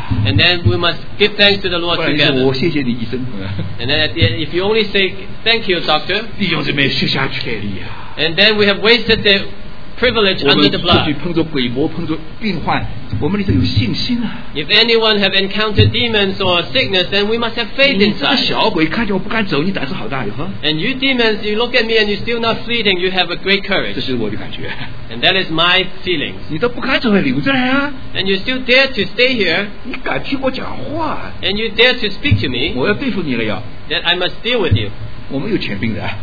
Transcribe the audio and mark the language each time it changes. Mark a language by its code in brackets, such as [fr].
[en] And then we must give thanks to the Lord together. And then at the end, if you only say, thank you, doctor. And then we have wasted the privilege under the blood. [zh] 碰着鬼魔，碰着病患，我们里头有信心啊。 [en] If anyone have encountered demons or sickness, then we must have faith in that. [zh] 你这个小鬼看见我不敢走，你胆子好大哟！ [en] And you demons, you look at me and you're still not fleeing. You have a great courage. [zh] 这是我的感觉。 [en] And that is my feeling. [zh] 你都不敢走，留在啊！ [en] And you still dare to stay here. [zh] 你敢听我讲话？ [en] And you dare to speak to me. [zh] 我要对付你了呀！ [en] That I must deal with you. [zh] 我们有权柄的。